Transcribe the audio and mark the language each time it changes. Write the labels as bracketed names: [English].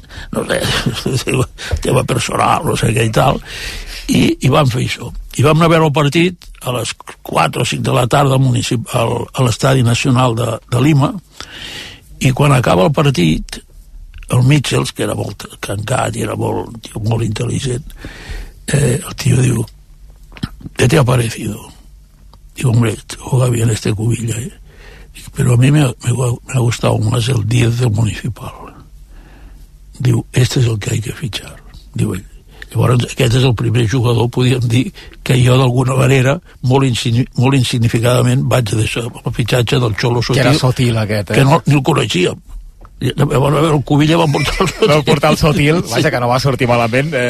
[Catalan] no sé, tema personal, no sé què i tal, i vam fer això, i vam anar a veure el partit a les 4 o 5 de la tarda a l'Estadi Nacional de Lima, i quan acaba el partit el Mitchells, que era molt cancat i era molt, tio, molt intel·ligent, el tio diu, [Spanish] ¿qué te ha parecido? Digo, hombre, juega bien este Cubilla, eh? Pero a mí me ha gustado más el 10 del municipal. Diu, este es el que hay que fichar. [Catalan] Diu ell. Llavors, aquest és el primer jugador, podríem dir, que jo d'alguna manera, molt insignificadament, vaig deixar el fitxatge del Xolo Sotil. Que era Sotil, aquest, eh? Que no, ni el coneixíem. Llavors, el Cubilla va portar el Sotil. Va portar el Sotil, vaja, que no va sortir malament.